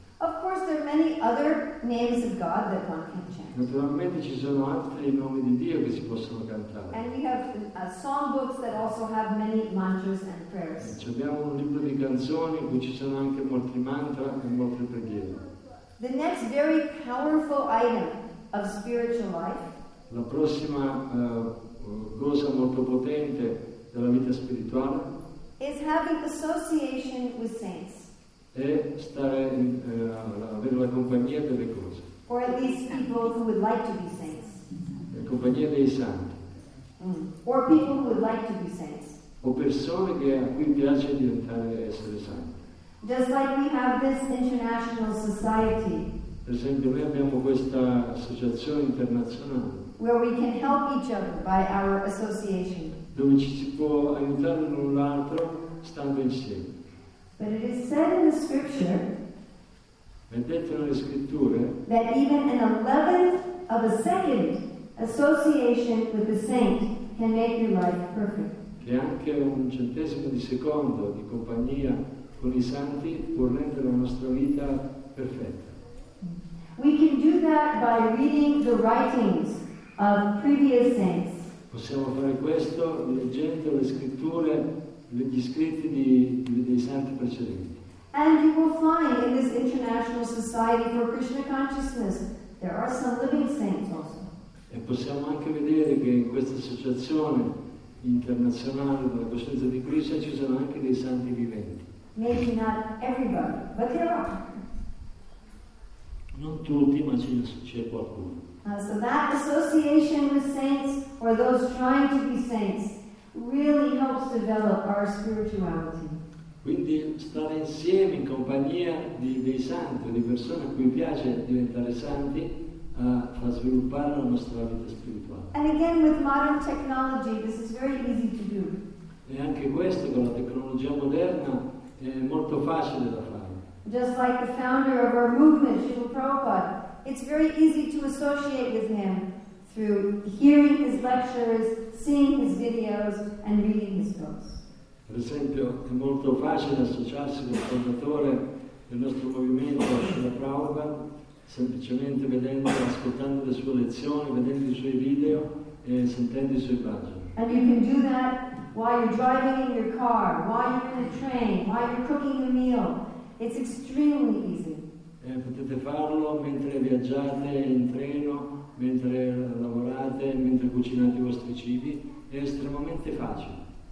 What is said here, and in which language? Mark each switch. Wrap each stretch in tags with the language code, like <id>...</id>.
<en>Of course, there are many other names of God that one can chant.</en> <it>Naturalmente ci sono altri nomi di Dio che si possono cantare.</it> <en>And we have song books that also have many mantras and prayers.</en> <it>Ci abbiamo un libro di canzoni in cui ci sono anche molti mantra e molte preghiere.</it> <en>The next very powerful item of spiritual life.</en> <it>La prossima cosa molto potente della vita spirituale.</it> <en>Is having association with saints.</en> <it>E stare in, avere la compagnia delle cose.</it> <en>Or at least people who would like to be saints.</en> <it>La compagnia dei santi. Mm.</it> <en>Or people who would like to be saints.</en> <it>O persone che a cui piace diventare essere santi.</it> <en>Just like we have this international society.</en> <it>Per esempio, noi abbiamo questa associazione internazionale.</it> <en>Where we can help each other by our association.</en> <it>Dove ci si può aiutare l'un l'altro stando insieme.</it> <en>But it is said in the scripture.</en> <it>È detto nelle scritture.</it> <en>That even an 11th of a second association with the saint can make your life perfect.</en> <it>Che anche un centesimo di secondo di compagnia con i santi può rendere la nostra vita perfetta.</it> <en>We can do that by reading the writings of previous saints.</en> <it>Possiamo fare questo leggendo le scritture. Gli scritti dei santi precedenti.</it> <en>And you will find in this International Society for Krishna Consciousness there are some living saints also.</en> <it>E possiamo anche vedere che in questa associazione internazionale della coscienza di Krishna ci sono anche dei santi viventi.</it> <en>Maybe not everybody, but there are.</en> <it>Non tutti, ma c'è qualcuno.</it> <en>So that association with saints or those trying to be saints really helps develop our spirituality.</en> <it>Quindi stare insieme in compagnia dei santi, di persone a cui piace diventare santi, fa sviluppare la nostra vita spirituale.</it> <en>And again, with modern technology, this is very easy to do.</en> <it>E anche questo con la tecnologia moderna è molto facile da fare.</it> <en>Just like the founder of our movement, Srila Prabhupada, it's very easy to associate with him through hearing his lectures, seeing his videos, and reading his books.</en> <it>Per esempio, è molto facile associarsi con il fondatore del nostro movimento, Srila Prabhupada, semplicemente vedendo, ascoltando le sue lezioni, vedendo i suoi video e sentendo i suoi bhajan.</it> <en>And you can do that while you're driving in your car, while you're in a train, while you're cooking a meal. It's extremely easy.</en> <it>E potete farlo mentre viaggiate in treno, mentre lavorate, mentre cucinate i vostri cibi, è estremamente facile.</it>